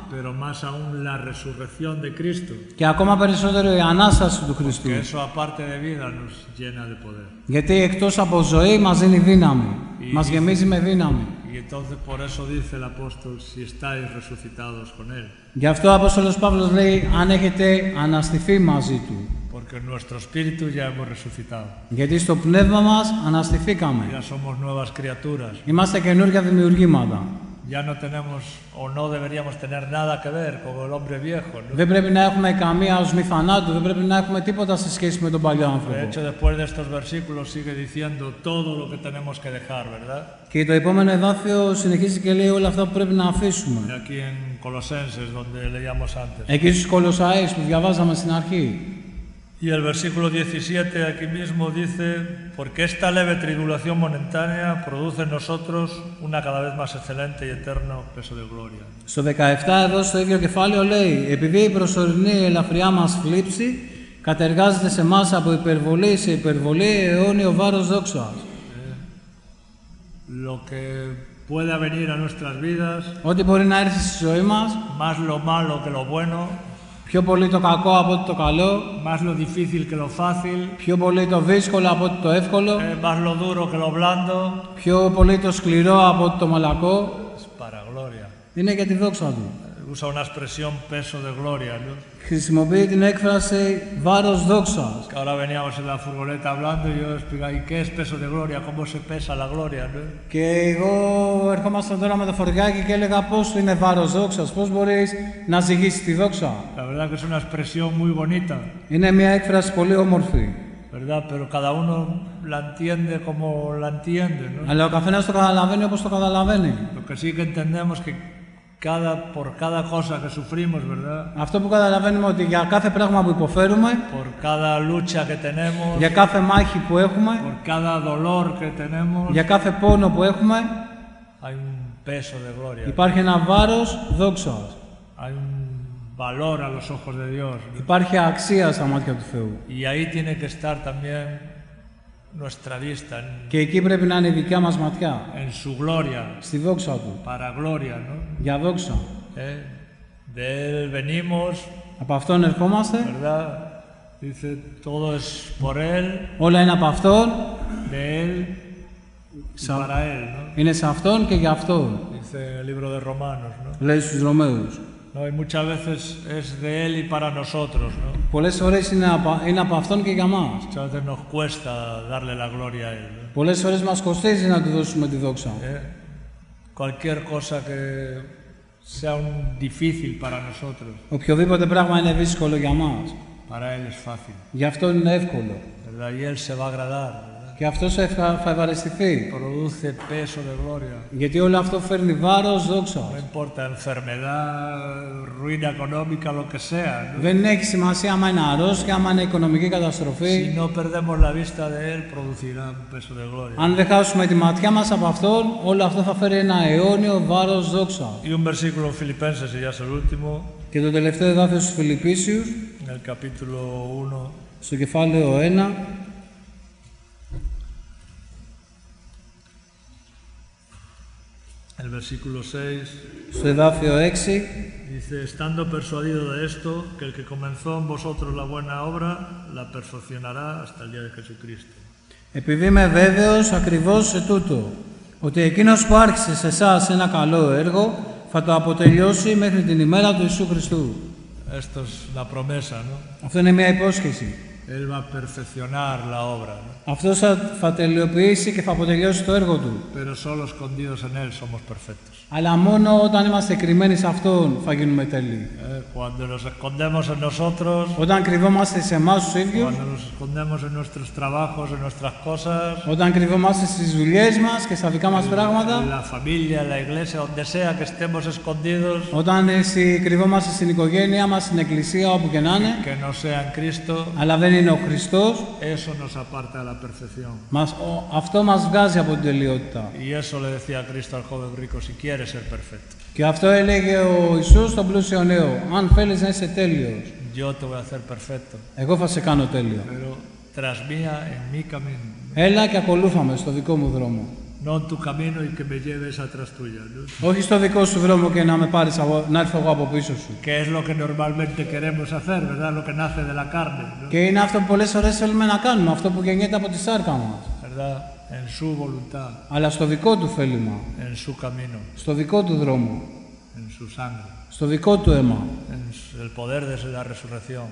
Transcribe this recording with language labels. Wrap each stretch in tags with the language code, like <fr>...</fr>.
<es>Pero más aún la resurrección de Cristo.</es> <el>Και ακόμα περισσότερο η Ανάσταση του Χριστού.</el> <es>Porque eso aparte de vida nos llena de poder.</es> <el>Γιατί εκτός από ζωή μας δίνει δύναμη. Μας γεμίζει με δύναμη.</el> <es>Y entonces por eso dice el apóstol, si estáis resucitados con él.</es> <el>Γι' αυτό ο Απόστολος Παύλος λέει, αν έχετε αναστηθεί μαζί του.</el> <es>Porque nuestro espíritu ya hemos resucitado.</es> <el>Γιατί στο πνεύμα μας αναστηθήκαμε.</el> <es>Ya somos nuevas criaturas.</es> <el>Είμαστε καινούργια δημιουργήματα.</el> <es>Ya no tenemos o no deberíamos tener nada que ver con el hombre viejo. ¿No?</es> <el>Δεν πρέπει να έχουμε καμία ως μη θανάτου, δεν πρέπει να έχουμε τίποτα σε σχέση με τον παλιό άνθρωπο.</el> <es>De hecho, después de estos versículos sigue diciendo todo lo que tenemos que dejar, ¿verdad?</es> <el>Και το επόμενο εδάφιο συνεχίζει και λέει όλα αυτά που πρέπει να αφήσουμε.</el> <es>Aquí en Colosenses, donde leíamos antes.</es> <el>Εκεί στους Κολοσσαίους που διαβάζαμε στην αρχή.</el> <es>Y el versículo 17 aquí mismo dice, porque esta leve tribulación momentánea produce en nosotros una cada vez más excelente y eterno peso de gloria.</es> <el>Στο 17 εδώ στο ίδιο κεφάλαιο λέει, επειδή η προσωρινή ελαφριά μας θλίψη κατεργάζεται σε μας από υπερβολή σε υπερβολή αιώνιο βάρος δόξας.</el> <es>Lo que pueda venir a nuestras vidas,</es> <el>ό,τι μπορεί να έρθει στη ζωή μας,</el> <es>más lo malo que lo bueno,</es> <el>πιο πολύ το κακό από το καλό.</el> <es>Más lo difícil que lo fácil.</es> <el>Πιο πολύ το δύσκολο από το εύκολο.</el> <es>Más lo duro que lo blando.</es> <el>Πιο πολύ το σκληρό από το μαλακό.</el> <es>Es para gloria.</es> <el>Είναι για τη δόξα του.</el> <es>Usa una expresión peso de gloria, ¿no?</es> <el>Χρησιμοποιεί την έκφραση βάρος δόξας.</el> <es>Que ahora veníamos en la furgoneta hablando y yo explica, ¿y qué es peso de gloria? ¿Cómo se pesa la gloria, ¿no?</es> <el>Και εγώ ερχόμασταν τώρα με το φορτηγάκι και έλεγα πώς είναι βάρος δόξας, πώς μπορείς να ζυγίσεις τη δόξα.</el> <es>La verdad que es una expresión muy bonita.</es> <el>Είναι μια έκφραση πολύ όμορφη.</el> <es>¿Verdad? Pero cada uno la entiende como la entiende, ¿no?</es> <el>Αλλά ο καθένας το καταλαβαίνει όπως το καταλαβαίνει.</el> <es>Lo que sí que entendemos que por cada cosa que sufrimos, ¿verdad?</es> <el>Αυτό που καταλαβαίνουμε ότι για κάθε πράγμα που υποφέρουμε,</el> <es>por cada lucha que tenemos,</es> <el>για κάθε μάχη που έχουμε,</el> <es>por cada dolor que tenemos,</es> <el>για κάθε πόνο που έχουμε,</el> <es>hay un peso de gloria.</es> <el>Υπάρχει ένα βάρος δόξας.</el> <es>Hay un valor a los ojos de Dios.</es> <el>Υπάρχει αξία στα μάτια του Θεού.</el> <es>Y ahí tiene que estar también nuestra vista.</es> <el>Και εκεί πρέπει να είναι η δικιά μας ματιά.</el> <es>En su gloria.</es> <el>Στη δόξα του.</el> <es>Para gloria, ¿no?</es> <el>Για δόξα.</el> <es>De él venimos.</es> <el>Από αυτόν ερχόμαστε.</el> <es>¿Verdad? Dice todo es por él.</es> <el>Όλα είναι από αυτόν.</el> <es>De él. Para él, ¿no?</es> <el>Είναι σε αυτόν και για αυτόν.</el> <es>Dice el libro de Romanos, ¿no?</es> <el>Λέει στους Ρωμαίους.</el> <es>No, y muchas veces es de él y para nosotros, ¿no?</es> <el>Πολλές φορές είναι από αυτόν και για μας.</el> <es>Muchas veces nos cuesta darle la gloria a él.</es> <el>Πολλές φορές μας κοστίζει να του δώσουμε τη δόξα.</el> <es>Cualquier cosa que sea un difícil para nosotros.</es> <el>Οποιοδήποτε πράγμα είναι δύσκολο για μας.</el> <es>Para él es fácil.</es> <el>Γι' αυτό είναι εύκολο.</el> <es>Y él se va a agradar.</es> <el>Και αυτός θα ευχαριστηθεί.</el> <es>Produce peso de gloria.</es> <el>Γιατί όλο αυτό φέρνει βάρος δόξας.</el> <es>No importa enfermedad, ruina económica, lo que sea.</es> <el>Δεν έχει σημασία άμα είναι αρρώστια, άμα είναι οικονομική καταστροφή.</el> <es>Si no perdemos la vista de él, producirá peso de gloria.</es> <el>Αν δεν χάσουμε τη ματιά μας από αυτόν, όλο αυτό θα φέρει ένα αιώνιο βάρος δόξας.</el> <es>Y un versículo filipenses, ya es el último.</es> <el>Και το τελευταίο εδάφιο στους Φιλιππίσιους.</el> <es>En el capítulo 1.</es> <el>Στο κεφάλαιο 1.</el> <es>El versículo 6,</es> <el>su edafio 6,</el> <es>dice, estando persuadido de esto, que el que comenzó en vosotros la buena obra, la perfeccionará hasta el día de Jesucristo.</es> <el>Επειδή είμαι βέβαιος ακριβώς σε τούτο, ότι εκείνος που άρχισε σε εσάς ένα καλό έργο, θα το αποτελειώσει μέχρι την ημέρα του Ιησού Χριστού.</el> <es>Esto es la promesa, ¿no?</es> <el>Αυτό είναι μια υπόσχεση.</el> <es>Él va a perfeccionar la obra.</es> <el>Αυτός θα τελειοποιήσει και θα αποτελειώσει το έργο του.</el> <es>Pero solo escondidos en él somos perfectos.</es> <el>Αλλά μόνο όταν είμαστε κρυμμένοι σε αυτόν θα γίνουμε τέλειοι.</el> <es>Cuando nos escondemos en nosotros.</es> <el>Όταν κρυβόμαστε σε εμάς τους ίδιους.</el> <es>Cuando nos escondemos en nuestros trabajos, en nuestras cosas.</es> <el>Όταν κρυβόμαστε στις δουλειές μας και στα δικά μας πράγματα.</el> <es>La familia, la iglesia, donde sea que estemos escondidos.</es> <el>Όταν κρυβόμαστε στην οικογένειά μας, στην εκκλησία, όπου και να είναι.</el> <es>Que no sea en Cristo.</es> <el>Δεν είναι ο Χριστός.</el> <es>Eso nos aparta la perfección.</es> <el>Αυτό μας βγάζει από την τελειότητα.</el> <es>Y eso le decía Cristo al joven rico, si quieres ser perfecto.</es> <el>Και αυτό έλεγε ο Ιησούς στον πλούσιο νέο. Αν θέλεις να είσαι τέλειος.</el> <es>Yo te voy a hacer perfecto.</es> <el>Εγώ θα σε κάνω τέλειο.</el> <es>Pero tras mía, en mi camino.</es> <el>Έλα και ακολούθαμε στο δικό μου δρόμο.</el> <es>No tu camino y que me lleves atrás tuya.</es> <el>Όχι στο δικό σου δρόμο και να με πάρεις να έρθω εγώ από πίσω σου.</el> <es>Que es lo que normalmente queremos hacer, ¿verdad? Lo que nace de la carne.</es> <el>Και είναι αυτό που πολλές φορές θέλουμε να κάνουμε, αυτό που γεννιέται από τη σάρκα μας.</el> <es>¿Verdad? En su voluntad.</es> <el>Αλλά στο δικό του θέλημα.</el> <es>En su camino.</es> <el>Στο δικό του δρόμο.</el> <es>En su sangre.</es> <el>Στο δικό του αίμα.</el> <es>En el poder de la resurrección.</es>